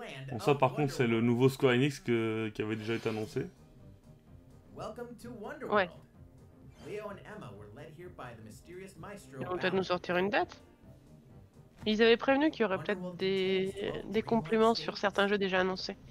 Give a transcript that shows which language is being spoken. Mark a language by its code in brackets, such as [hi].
[fr] Bon, ça par contre c'est le nouveau Square Enix que, qui avait déjà été annoncé. [en] Welcome to Wonderworld. Leo and Emma were led here by the mysterious maestro. [fr] Ils vont peut-être nous sortir une date. Ils avaient prévenu qu'il y aurait peut-être des compléments sur certains jeux déjà annoncés.